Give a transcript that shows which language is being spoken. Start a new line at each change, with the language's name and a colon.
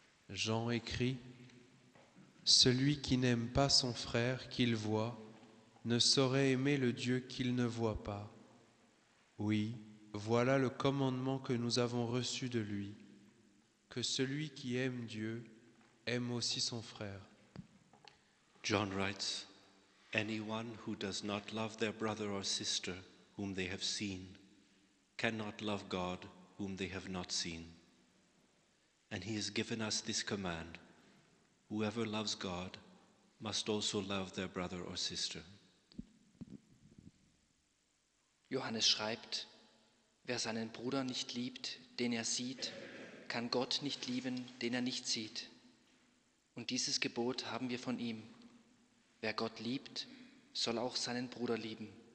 French: Jean écrit : Celui qui n'aime pas son frère qu'il voit ne saurait aimer le Dieu qu'il ne voit pas. Oui, voilà le commandement que nous avons reçu de lui : que celui qui aime Dieu aime aussi son frère.
English: John writes, anyone who does not love their brother or sister whom they have seen cannot love God whom they have not seen. And he has given us this command, whoever loves God must also love their brother or sister.
German: Johannes schreibt, wer seinen Bruder nicht liebt, den er sieht, kann Gott nicht lieben, den er nicht sieht. Und dieses Gebot haben wir von ihm. Wer Gott liebt, soll auch seinen Bruder lieben.